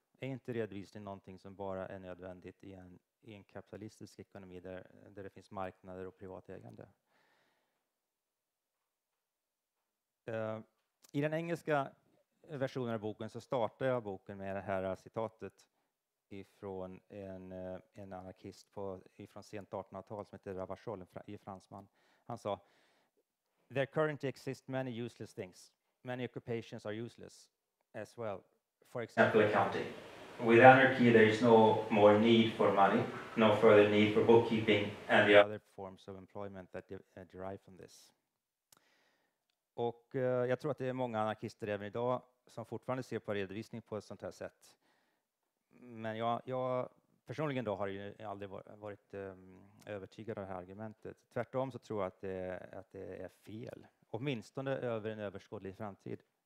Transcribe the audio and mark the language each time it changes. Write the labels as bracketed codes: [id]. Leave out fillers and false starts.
[sv] Är inte redovisning någonting som bara är nödvändigt i en kapitalistisk ekonomi där det finns marknader och privatägande? I den engelska versionen av boken så startar jag boken med det här citatet ifrån en anarkist från sent 1800-tal som heter Ravachol, i fransman. Han sa: [en] "There currently exist many useless things. Many occupations are useless as well. For example, accounting. With anarchy, there is no more need for money, no further need for bookkeeping and the other forms of employment that derive from this." [sv] Och jag tror att det är många anarkister även idag som fortfarande ser på redovisning på ett sånt här sätt. Men jag personligen då har ju aldrig varit övertygad av det här argumentet. Tvärtom så tror jag att det är fel. Åtminstone över en överskådlig framtid.